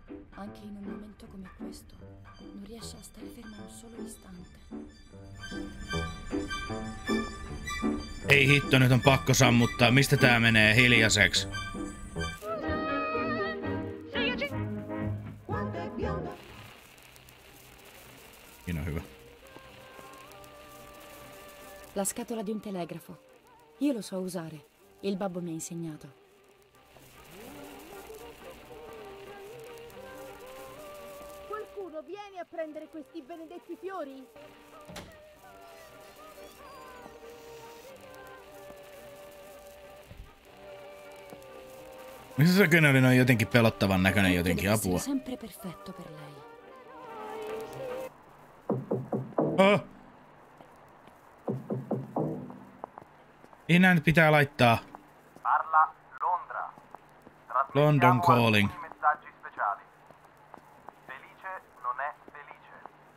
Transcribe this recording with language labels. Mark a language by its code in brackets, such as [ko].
[it] Anche in un momento come questo, non riesce a stare ferma un solo istante. [fi] Ei hitto, nyt on pakko sammuttaa. Mistä tää menee hiljaiseksi? Siinä on hyvä. [it] La scatola di un telegrafo. Io lo so usare. Il babbo mi ha insegnato. Qualcuno viene a prendere questi benedetti fiori? [fi] Missä se kenori on jotenkin pelottavan näköinen jotenkin apua? [it] Sempre perfetto per lei. [fi] Enää nyt pitää laittaa. [it] Parla Londra. [en] London calling. [it] Messaggi speciali. Felice non è felice.